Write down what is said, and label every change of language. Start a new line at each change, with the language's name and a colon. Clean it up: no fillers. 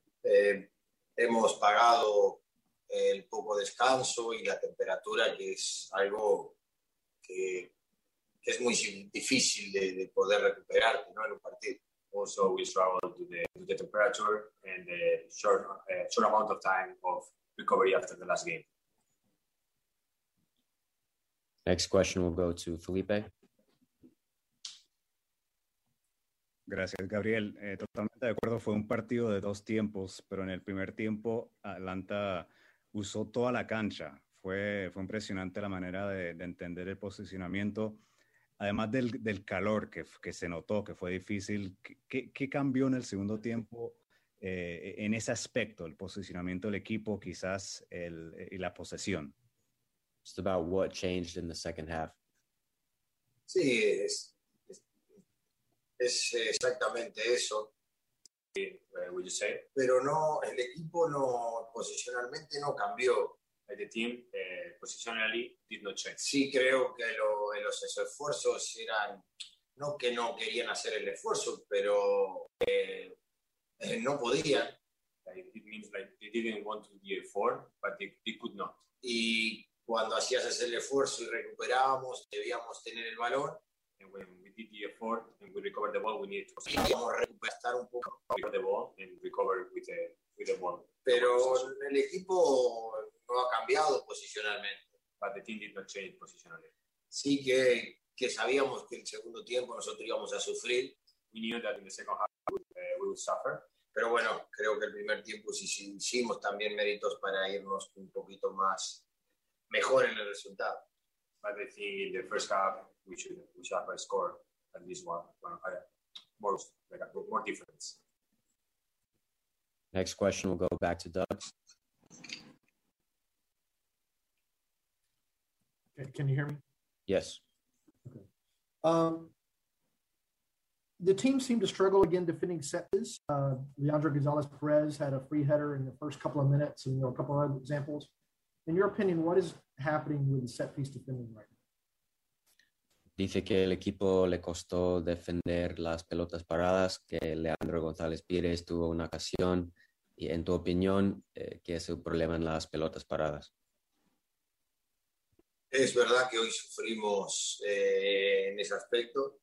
Spanish: Hemos pagado el poco descanso y la temperatura, que es algo que es muy difícil de poder recuperar, ¿no?, en un partido.
English: Also, we struggled with the temperature and the short amount of time of recovery after the last game. Next question will go to Felipe.
Spanish: Gracias, Gabriel. Totalmente de acuerdo, fue un partido de dos tiempos, pero en el primer tiempo Atlanta usó toda la cancha. Fue impresionante la manera de entender el posicionamiento, además del calor que se notó, que fue difícil. ¿Qué cambió en el segundo tiempo en ese aspecto, el posicionamiento del equipo, quizás y la posesión?
English: Just about what changed in the second half.
Spanish: Sí, es exactamente eso.
English: Would you say?
Spanish: Pero no, el equipo no, posicionalmente no cambió.
English: The team, positionally, did not change.
Spanish: Sí, creo que los esfuerzos eran, no que no querían hacer el esfuerzo, pero no podían.
English: It means like they didn't want to be a four, but they could not.
Spanish: Y cuando hacías el esfuerzo y recuperábamos, debíamos tener el balón.
English: And when we did the effort and we recovered the ball, we needed to
Spanish: recuperar un poco,
English: recover the ball and recover with the ball.
Spanish: Pero el equipo no ha cambiado posicionalmente.
English: But the team did not change positionally.
Spanish: Sí que sabíamos que en el segundo tiempo nosotros íbamos a sufrir.
English: We knew that in the second half we would suffer.
Spanish: Pero bueno, creo que el primer tiempo sí hicimos también méritos para irnos un poquito más mejor en el resultado.
English: But I think in the first half we should have scored at least more difference. Next question will go back to Doug. Okay, can you hear me? Yes. Okay. The team seemed to struggle again defending set pieces. Leandro Gonzalez Perez had a free header in the first couple of minutes, and there were a couple of other examples. In your opinion, what is happening with the set piece defending right now?
Spanish: Dice que el equipo le costó defender las pelotas paradas, que Leandro González Pires tuvo una ocasión. Y en tu opinión, ¿qué es el problema en las pelotas paradas? Es verdad que hoy sufrimos en ese aspecto.